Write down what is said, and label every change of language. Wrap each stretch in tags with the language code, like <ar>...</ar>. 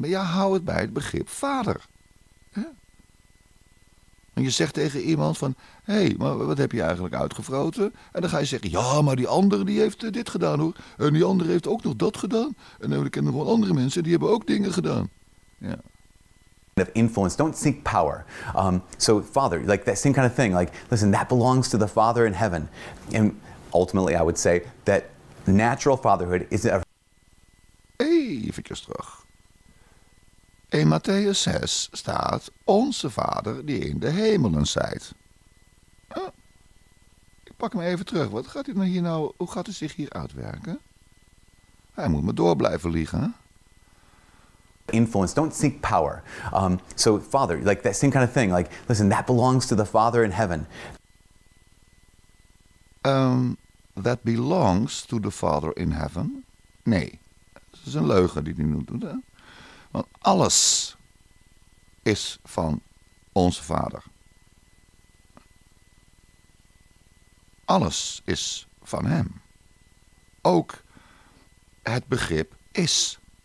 <nl>Maar ja, hou het bij het begrip vader. En je zegt tegen iemand van, hey, maar wat heb je eigenlijk uitgefroten? En dan ga je zeggen, ja, maar die andere die heeft dit gedaan hoor. En die andere heeft ook nog dat gedaan. En dan ken ik nog wel andere mensen, die hebben ook dingen gedaan. Ja.</nl> <en>Of influence, don't seek power. So father, like that same kind of thing. Like, listen, that belongs to the father in heaven. And ultimately I would say that natural fatherhood is a...</en> <nl>Eventjes terug. In Matthäus 6 staat onze vader die in de hemelen zijt. Ik pak hem even terug. Wat gaat hij nou hier nou, hoe gaat hij zich hier uitwerken? Hij moet me door blijven liegen.</nl> <en>Influence, don't seek power. So father, like that same kind of thing. Like, listen, that belongs to the father in heaven. That belongs to the father in heaven?</en> <nl>Nee, dat is een leugen die hij nu doet, hè? Want alles is van onze vader. Alles is van hem. Ook het begrip is.</nl>